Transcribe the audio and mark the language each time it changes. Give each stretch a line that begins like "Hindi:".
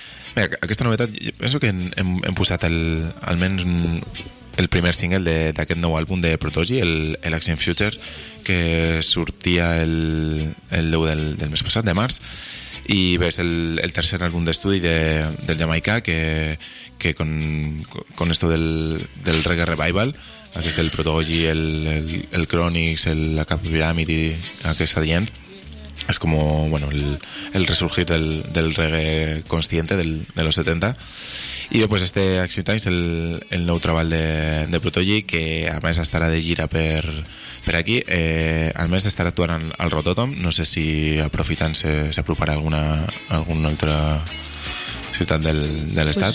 Catalan: Bé, aquesta novetat penso que hem posat almenys el primer single d'aquest nou àlbum de Protogy, el Action Future, que sortia el 10 del mes passat, de març, i bé, és el tercer àlbum d'estudi del jamaicà que
Spanish: con esto del
Catalan: reggae revival, aquest del Protogy, el Chronix, la Capiramidi, aquesta gent.
Spanish: Es como, bueno, el resurgir del reggae consciente de los 70. Y después este
Catalan: Action Times, el nou treball de Protogy, que a més estarà de gira per aquí. Al més estarà actuant al Rotterdam. No sé si aprofitant s'aproparà alguna altra ciutat de l'estat.